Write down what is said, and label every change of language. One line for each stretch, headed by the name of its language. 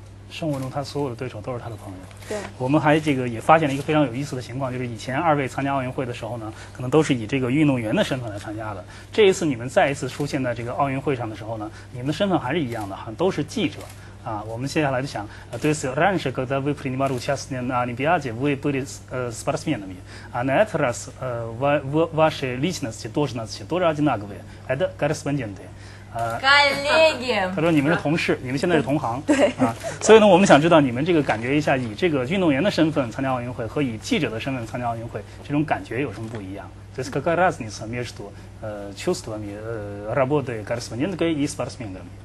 Chinese: 生活中他所有的对手都是他的朋友。对，我们还这个也发现了一个非常有意思的情况，就是以前二位参加奥运会的时候呢，可能都是以这个运动员的身份来参加的，这一次你们再一次出现在这个奥运会上的时候呢，你们的身份还是一样的，好像都是记者啊。我们接下来就想，
Russian: раньше, когда вы принимали участие на Олимпиаде, вы были спортсменами, а на этот раз ваши личности, должности тоже одинаковые, это корреспонденты. Коллеги!
Chinese: 他说你们是同事，你们现在是同行。对。所以呢，我们想知道你们这个感觉一下，以这个运动员的身份参加奥运会和以记者的身份参加奥运会，这种感觉有什么不一样？
Russian: То есть какая разница между чувствами работы корреспондентами и спортсменами?